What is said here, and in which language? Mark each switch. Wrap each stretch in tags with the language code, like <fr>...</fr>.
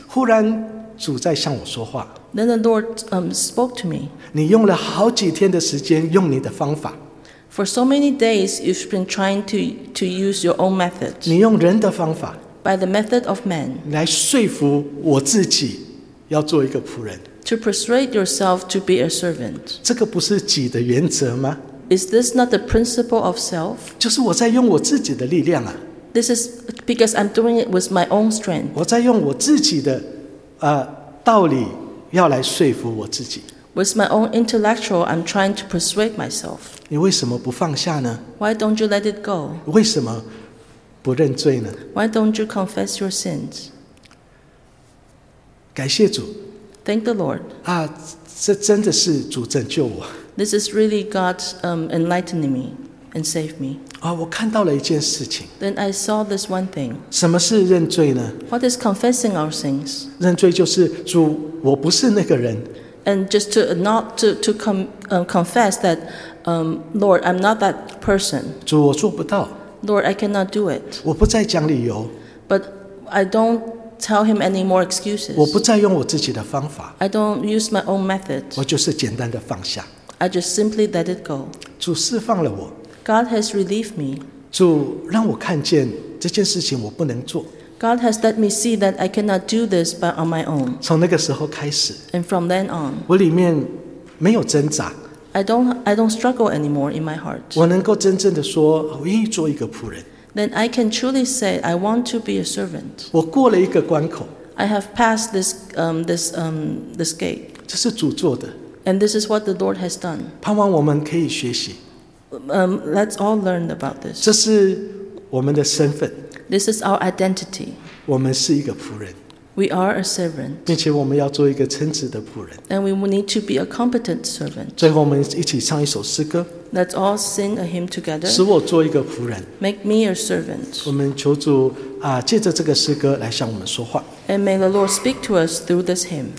<zh>忽然主在向我说话。</zh> <en>Then the Lord spoke to me.</en> <zh>你用了好几天的时间用你的方法。</zh> <en>For so many days you've been trying to use your own method.</en> <zh>你用人的方法。</zh> <en>By the method of man.</en> <zh>来说服我自己要做一个仆人。</zh> <en>To persuade yourself to be a servant.</en> <zh>这个不是己的原则吗？</zh> <en>Is this not the principle of self?</en> <zh>就是我在用我自己的力量啊。</zh> <en>This is because I'm doing it with my own strength.</en> <zh>我在用我自己的道理要来说服我自己。</zh> <en>With my own intellectual, I'm trying to persuade myself.</en> <zh>你为什么不放下呢？</zh> <en>Why don't you let it go?</en> <zh>为什么不认罪呢？</zh> <en>Why don't you confess your sins?</en> <zh>感谢主。</zh> <en>Thank the Lord.</en> <zh>啊，这真的是主拯救我。</zh> <en>This is really God enlightening me and save me.</en> <zh>啊，我看到了一件事情。</zh> <en>Then I saw this one thing.</en> <zh>什么是认罪呢？</zh> <en>What is confessing our sins?</en> <zh>认罪就是主，我不是那个人。</zh> <en>And just to not to confess that, Lord, I'm not that person.</en> <zh>主，我做不到。</zh> <en>Lord, I cannot do it.</en> <zh>我不再讲理由。</zh> <en>But I don't tell him any more excuses.</en> <zh>我不再用我自己的方法。</zh> <en>I don't use my own method.</en> <zh>我就是简单的放下。</zh> <en>I just simply let it go.</en> <zh>主释放了我。</zh> <en>God has relieved me.</en> <zh>主让我看见这件事情我不能做。</zh> <en>God has let me see that I cannot do this but on my own.</en> <zh>从那个时候开始。</zh> <en>And from then on.</en> <zh>我里面没有挣扎。</zh> <en>I don't struggle anymore in my heart.</en> <zh>我能够真正的说，我愿意做一个仆人。</zh> <en>Then I can truly say I want to be a servant.</en> <zh>我过了一个关口。</zh> <en>I have passed this gate.</en> <zh>这是主做的。</zh> <en>And this is what the Lord has done.</en> <zh>盼望我们可以学习。</zh> <en>Let's all learn about this.</en> <zh>这是我们的身份。</zh> <en>This is our identity.</en> <zh>我们是一个仆人。</zh> <en>We are a servant.</en> <zh>并且我们要做一个称职的仆人。</zh> <en>And we need to be a competent servant.</en> <zh>最后我们一起唱一首诗歌。</zh> <en>Let's all sing a hymn together.</en> <zh>使我做一个仆人。</zh> <en>Make me a servant.</en> <zh>我们求主啊，借着这个诗歌来向我们说话。</zh> <en>And may the Lord speak to us through this hymn.</en>